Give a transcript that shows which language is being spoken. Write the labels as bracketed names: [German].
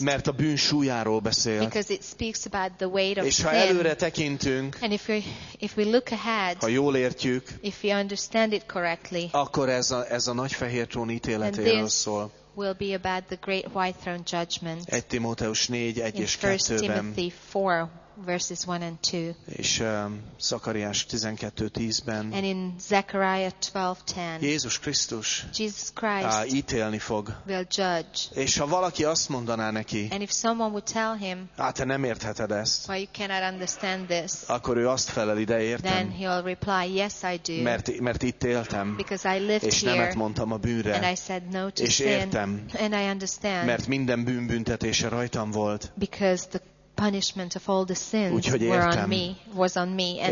[Hungarian] Mert a bűn súlyáról beszél. [English] Because it speaks about the weight of [Hungarian] és [English] sin. [Hungarian] És ha előre tekintünk, [English] and if we look ahead, [Hungarian] ha jól értjük, [English] if we understand it correctly, [Hungarian] akkor ez a nagy fehér trón ítéletéről szól. [English] Will be about the great white throne judgment. [Hungarian] 1 Timóteus 4, 1 és 2-ben. [English] Verses 1 and 2. [Hungarian] És Zakariás 12:10-ben. [English] And in Zechariah 12:10. [Hungarian] Jézus Krisztus. [English] Jesus Christ. [Hungarian] Ítélni fog. [English] Will judge. [Hungarian] És ha valaki azt mondaná neki. [English] And if someone would tell him. [Hungarian] Te nem értheted ezt. [English] Why you cannot understand this. [Hungarian] Akkor ő azt feleli, de értem. [English] Then he'll reply, yes I do. [Hungarian] Mert itt éltem. [English] Because I lived [Hungarian] és [English] here. [Hungarian] És nemet mondtam a bűnre. [English] And I said no to [Hungarian] és [English] sin. [Hungarian] És értem. [English] And I understand. [Hungarian] Mert minden bűn büntetése rajtam volt. [English] Because the punishment of all the sins was on me, and